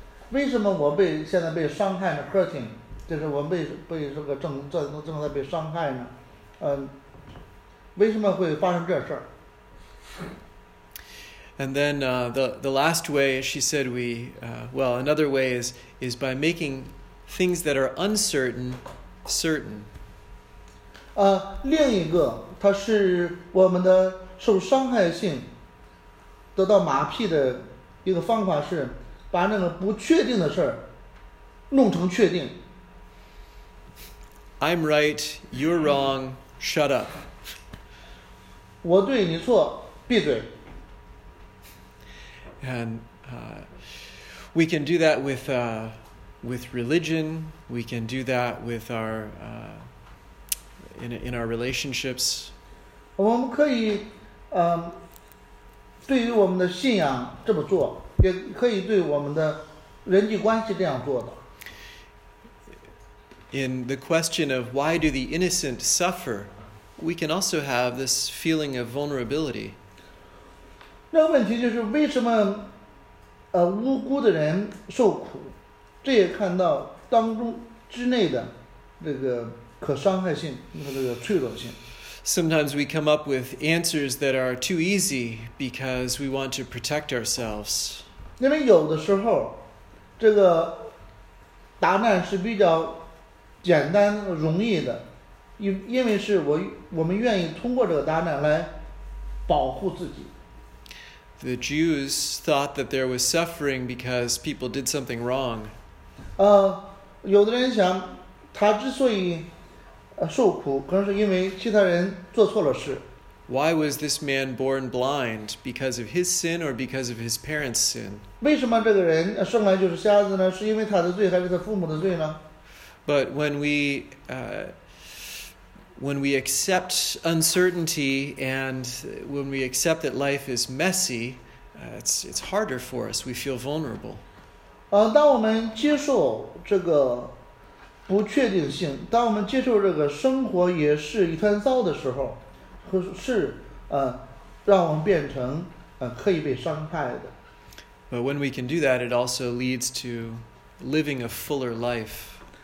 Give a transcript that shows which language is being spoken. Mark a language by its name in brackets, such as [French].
[Chinese] 为什么我被现在被伤害呢?Hurting, 就是我们被这个正在被伤害呢? 为什么会发生这事儿? [English] And then the last way, she said, another way is by making things that are uncertain, certain. [Chinese] 另一个, 它是我们的受伤害性得到麻痹的一个方法是 [English] I'm right, you're wrong, shut up. [Chinese] 我对你错, [English] and we can do that with religion, we can do that with our in our relationships. [Chinese] 我们可以, 对于我们的信仰这么做, 也可以对我们的人际关系这样做的。 [English] In the question of why do the innocent suffer, we can also have this feeling of vulnerability. [Chinese] 那问题就是为什么无辜的人受苦, 这也看到当中之内的这个可伤害性和这个脆弱性。 [English] Sometimes we come up with answers that are too easy because we want to protect ourselves. [Chinese] 因为有的时候这个答案是比较简单容易的，因为是我们愿意通过这个答案来保护自己。 [English] The Jews thought that there was suffering because people did something wrong. [Chinese] 有的人想他之所以 受苦，可能是因为其他人做错了事。 [English] Why was this man born blind? Because of his sin or because of his parents' sin? [Chinese] 为什么这个人生来就是瞎子呢?是因为他的罪还是他父母的罪呢? [English] But when we accept uncertainty and when we accept that life is messy, it's harder for us. We feel vulnerable. [Chinese] 当我们接受这个 不确定性，当我们接受这个生活也是一团糟的时候，是让我们变成可以被伤害的。 [English] But when we can do that, it also leads to living a fuller life.